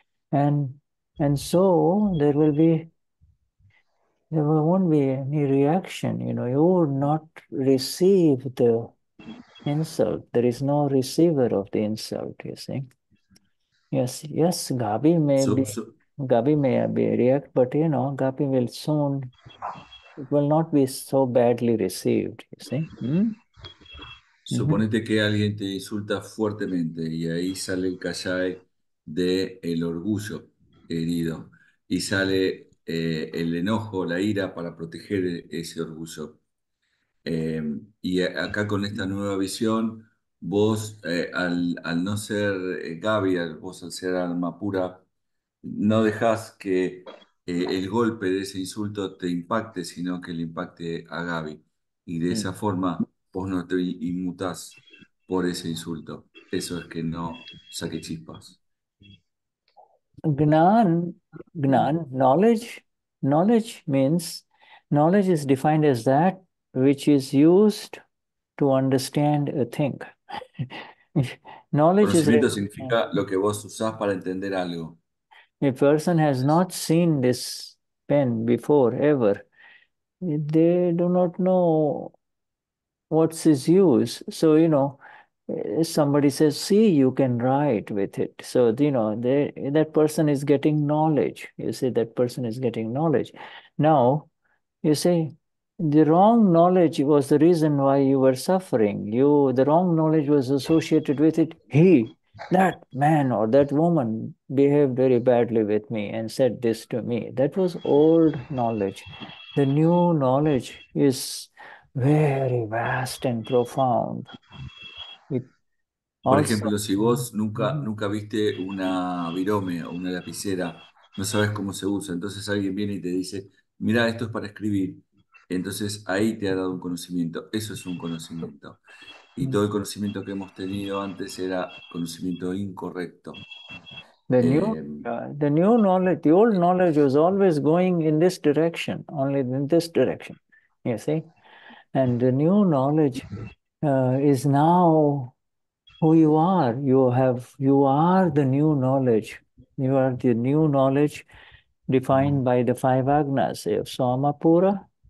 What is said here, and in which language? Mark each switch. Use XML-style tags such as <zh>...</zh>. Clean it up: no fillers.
<en>And so there will be, there won't be any reaction, you know, you will not receive the insult, there is no receiver of the insult, you see. Yes, yes, Gavi may so, be... So. Gabi may be react, but you know, Gabi will soon, it will not be so badly received, you see.</en> <es>Suponete que alguien te insulta fuertemente y ahí sale el kashae de el orgullo herido y sale el enojo, la ira para proteger ese orgullo. Y acá con esta nueva visión, vos al no ser Gabi, vos al ser alma pura, no dejas que el golpe de ese insulto te impacte, sino que le impacte a Gaby. Y de esa forma, vos no te inmutás por ese insulto. Eso es que no saque chispas.</es> <en>Gnan, gnan, knowledge. Knowledge means, knowledge is defined as that which is used to understand a thing. Knowledge</en> <es>conocimiento</es> <en>is</en> <es>significa lo que vos usás para entender algo.</es> <en>A person has not seen this pen before, ever. They do not know what's its use. So, you know, somebody says, see, you can write with it. So, you know, that person is getting knowledge. You see, that person is getting knowledge. Now, you see, the wrong knowledge was the reason why you were suffering. The wrong knowledge was associated with it. That man or that woman behaved very badly with me and said this to me. That was old knowledge. The new knowledge is very vast and profound.</en> <es>Por ejemplo, si vos nunca viste una virome o una lapicera, no sabes cómo se usa, entonces alguien viene y te dice, mira, esto es para escribir. Entonces ahí te ha dado un conocimiento. Eso es un conocimiento. Y todo el conocimiento que hemos tenido antes era conocimiento incorrecto.</es> <en>The new knowledge, the old knowledge was always going in this direction, only in this direction, you see? And the new knowledge is now who you are. You are the new knowledge. You are the new knowledge defined by the five agnas of Somapura.</en>